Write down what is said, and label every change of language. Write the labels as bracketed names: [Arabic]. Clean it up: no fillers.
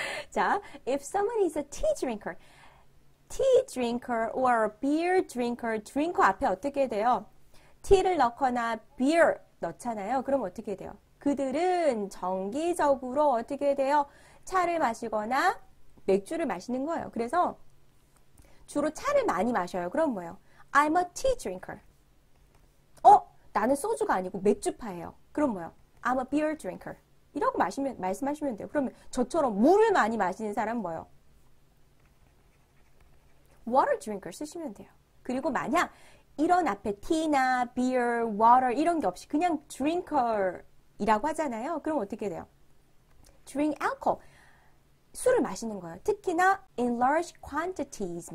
[English] 자, if someone is a tea drinker or a beer drinker, [Korean] drinker 앞에 어떻게 돼요? tea를 넣거나 beer 넣잖아요. 그럼 어떻게 돼요? 그들은 정기적으로 어떻게 돼요? 차를 마시거나 맥주를 마시는 거예요. 그래서 주로 차를 많이 마셔요. 그럼 뭐예요? [English] I'm a tea drinker. [Korean] 나는 소주가 아니고 맥주파예요. 그럼 뭐요? [English] I'm a beer drinker. [Korean] 이러고 말씀하시면 돼요. 그러면 저처럼 물을 많이 마시는 사람은 뭐요? Water drinker 쓰시면 돼요. 그리고 만약 이런 앞에 tea나 beer, water 이런 게 없이 그냥 drinker이라고 하잖아요. 그럼 어떻게 돼요? [English] Drink alcohol. [Korean] 술을 마시는 거예요. [English] 특히나 in large quantities.